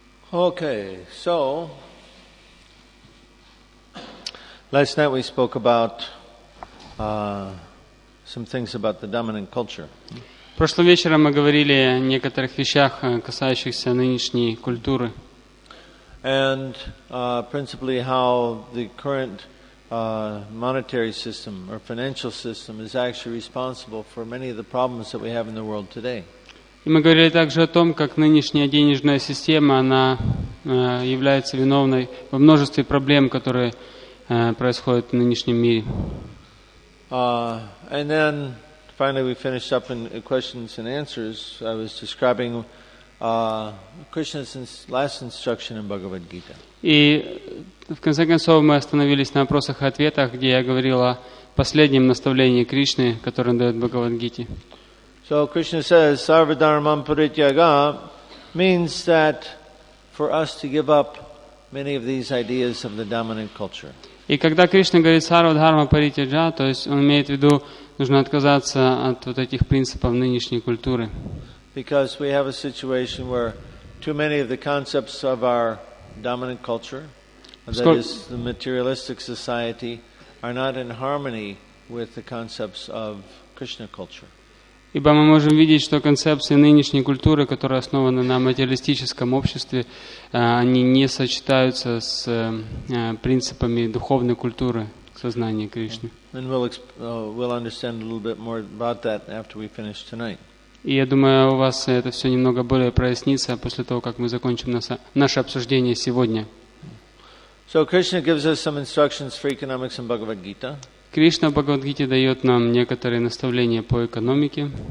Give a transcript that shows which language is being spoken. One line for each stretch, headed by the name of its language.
English: Okay, so last night we spoke about some things about the dominant culture.
Russian: Прошлым вечером мы говорили о некоторых вещах, касающихся нынешней культуры.
English: And principally how the current monetary system or financial system is actually responsible for many of the problems that we have in the world today.
Russian: И мы говорили также о том, как нынешняя денежная система, она является виновной во множестве проблем, которые происходят в нынешнем мире.
English: And then finally we finished up in questions and answers. I was describing Krishna's last instruction in Bhagavad Gita.
Russian: И в конце концов мы остановились на вопросах и ответах, где я говорил о последнем наставлении Кришны, которое он дает в Бхагавад-гите.
English: So Krishna says, "Sarva dharmam parityaga" means that for us to give up many of these ideas of the dominant culture.
Russian: И когда Кришна говорит "Sarva dharma parityaga", то есть он имеет в виду, нужно отказаться от вот этих принципов нынешней культуры.
English: Because we have a situation where too many of the concepts of our dominant culture, that is the materialistic society, are not in harmony with the concepts of Krishna culture.
Russian: Ибо мы можем видеть, что концепции нынешней культуры, которые основаны на материалистическом обществе, они не сочетаются с принципами духовной культуры, сознания Кришны.
English: And we'll understand a little bit more about that after we finish tonight.
Russian: И я думаю, у вас это все немного более прояснится после того, как мы закончим наше обсуждение сегодня.
English: So Krishna gives us some instructions for economics in Bhagavad Gita.
Russian: Кришна в Бхагавад-гите дает нам некоторые наставления по экономике.